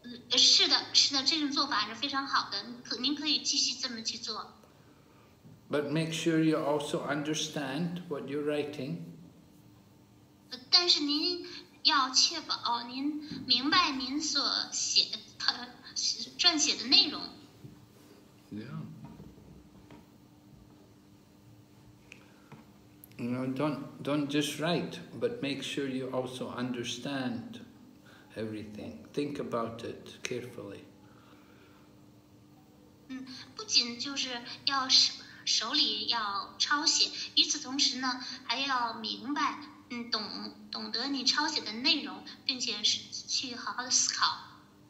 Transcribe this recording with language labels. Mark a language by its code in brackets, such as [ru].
[zh] 是的，是的，这种做法是非常好的。您可以继续这么去做。 [en] But make sure you also understand what you're writing. [zh] 但是您要确保您明白您所写的撰写的内容。 Yeah. [en] No, don't just write, but make sure you also understand everything. Think about it carefully. [zh] 不仅就是要手里要抄写，与此同时呢，还要明白，懂得你抄写的内容，并且是去好好的思考。